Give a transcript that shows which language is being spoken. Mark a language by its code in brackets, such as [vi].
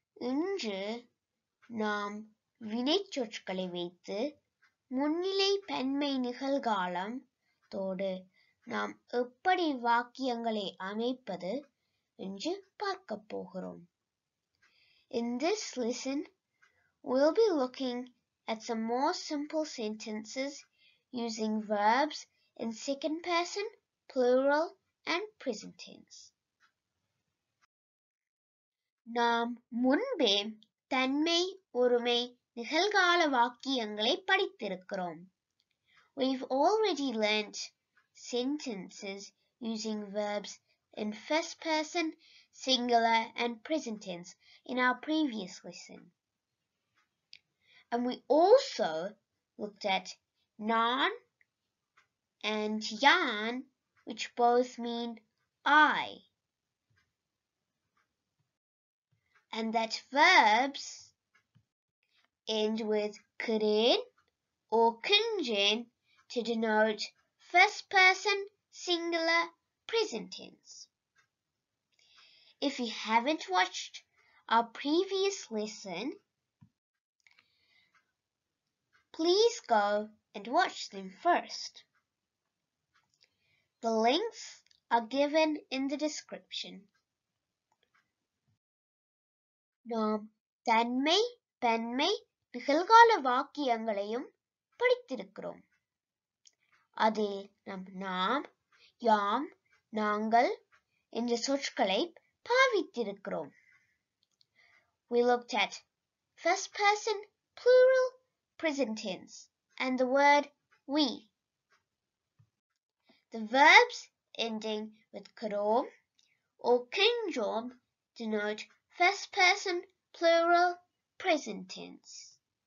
[ta] இன்று நாம் வினைச்சொற்களை வைத்து முன்னிலை பன்மை நிகழ்காலம் தோடு நாம் எப்படி வாக்கியங்களை அமைப்பது என்று பார்க்க போகிறோம். [en] In this lesson, we'll be looking at some more simple sentences using verbs in second person, plural, and present tense. [ta] நாம் முன்பே தன்மை ஒருமை நிகழ்கால வாக்கியங்களை படித்திருக்கிறோம். [en] We've already learnt sentences using verbs in first person, singular, and present tense in our previous lesson. And we also looked at nan and yan, which both mean I. And that verbs end with kren or kunjen to denote first person, singular, present tense. If you haven't watched our previous lesson, please go and watch them first. The links are given in the description. [ta] நாம் தன்மை பன்மை நிகழ்கால வாக்கியங்களையும் படித்திருக்கிறோம். அதில் நம் நாம், யாம், நாங்கள் என்ற சொற்களை பாவித்திருக்கிறோம். [en] We looked at first person, plural, present tense and the word we. The verbs ending with krom or kinjom denote first person, plural, present tense.